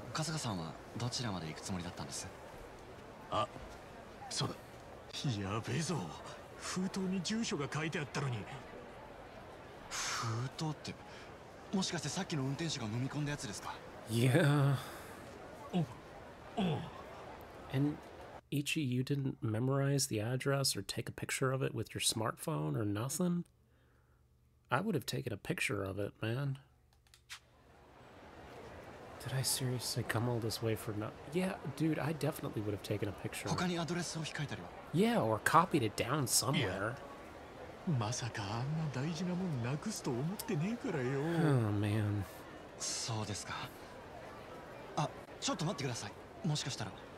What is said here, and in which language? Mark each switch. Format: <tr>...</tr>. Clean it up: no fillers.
<ja>春日さんはどちらまで行くつもりだったんです？あ、そうだ。やべえぞ。封筒に住所が書いてあったのに。封筒って、もしかしてさっきの運転手が飲み込んだやつですか？いや、</ja> <en>yeah. And Ichi, you didn't memorize the address or take a picture of it with your smartphone or nothing? I would have taken a picture of it, man. Did I seriously come all this way for no- Yeah, dude, I definitely would have taken a picture.</en> <ja>他にアドレスを控えたりは？</ja> <en>Yeah, or copied it down somewhere. Yeah.</en> <ja>まさかあんな大事なもんなくすと思ってねえからよ。</ja> <en>Oh, man.</en> <ja>そうですか。あ、ちょっと待ってください。もしかしたら。</ja>